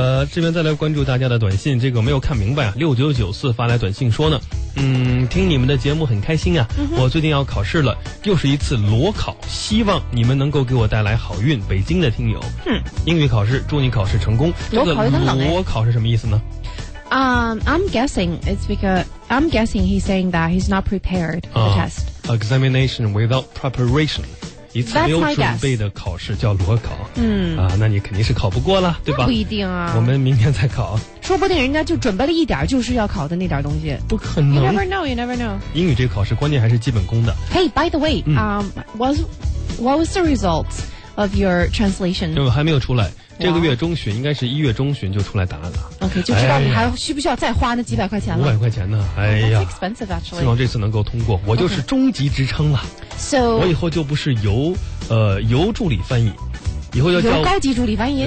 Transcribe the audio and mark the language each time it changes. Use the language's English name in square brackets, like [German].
[Chinese] 这边再来关注大家的短信，这个没有看明白啊，6994发来短信说呢，听你们的节目很开心啊，我最近要考试了，又是一次裸考，希望你们能够给我带来好运，北京的听友。英语考试祝你考试成功。裸考有点冷。裸考是什么意思呢？ [English] I'm guessing he's saying that he's not prepared for the test. Examination without preparation. [Chinese] 一次没有准备的考试叫裸考。那你肯定是考不过了，对吧？不一定啊。我们明天再考。说不定人家就准备了一点，就是要考的那点东西。不可能。 [English] You never know. [Chinese] 英语这个考试关键还是基本功的。 [English] Hey, by the way, what was the results of your translation? [Chinese] 对，还没有出来。这个月中旬应该是1月中旬就出来答案了。 OK, 就知道你还需不需要再花那几百块钱了。 500块钱呢，哎呀。 [English] That's expensive, actually. [Chinese] 希望这次能够通过。我就是终极职称了。 [English] So, [Chinese] 我以后就不是游助理翻译。以后要叫。游高级助理翻译。